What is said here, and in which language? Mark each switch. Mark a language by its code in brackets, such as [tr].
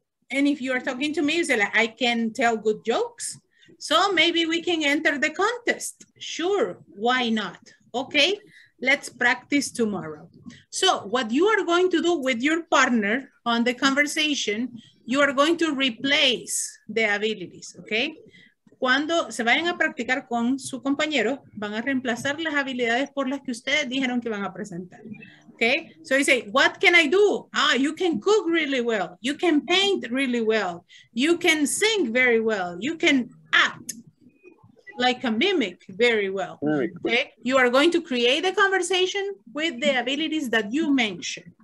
[en] And if you are talking to me, you say, like, I can tell good jokes. So maybe we can enter the contest. Sure, why not? Okay, let's practice tomorrow. So what you are going to do with your partner on the conversation, you are going to replace the abilities, okay? [es] Cuando se vayan a practicar con su compañero, van a reemplazar las habilidades por las que ustedes dijeron que van a presentar. [en] Okay, so you say, what can I do? Ah, you can cook really well. You can paint really well. You can sing very well. You can act like a mimic very well. Okay, you are going to create a conversation with the abilities that you mentioned.